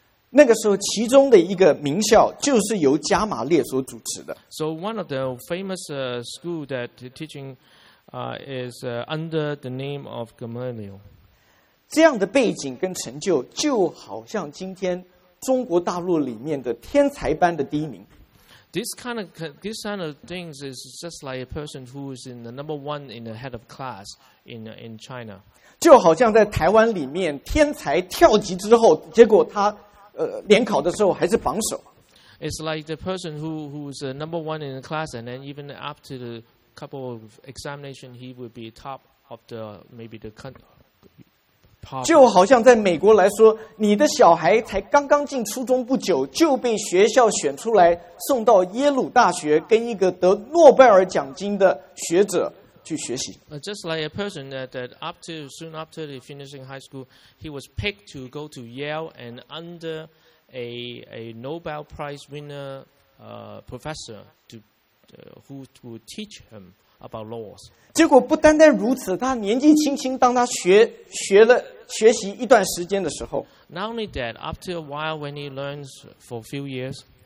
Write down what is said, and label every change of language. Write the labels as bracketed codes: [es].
[zh] 那个时候其中的一个名校就是由加玛列所主持的。 [en] So one of the famous school that teaching. Under the name of Gamaliel. [zh] 这样的背景跟成就就好像今天中国大陆里面的天才般的第一名。 [en] This kind of things is just like a person who is in the number one in the head of class in China. [zh] 就好像在台湾里面天才跳级之后结果他联考的时候还是榜首。 [en] It's like the person who is the number one in the class and then even up to theCouple of examination, he would be top of the maybe the country. [zh] 就好像在美国来说，你的小孩才刚刚进初中不久，就被学校选出来送到耶鲁大学，跟一个得诺贝尔奖金的学者去学习。 [en] Just like a person that soon after they finishing high school, he was picked to go to Yale and under a Nobel Prize winner professor to. Who would teach him about laws? [zh] 结果不单单如此，他年纪轻轻，当他学习一段时间的时候 [en] ，Not only that, after a while, when he learns for a few years,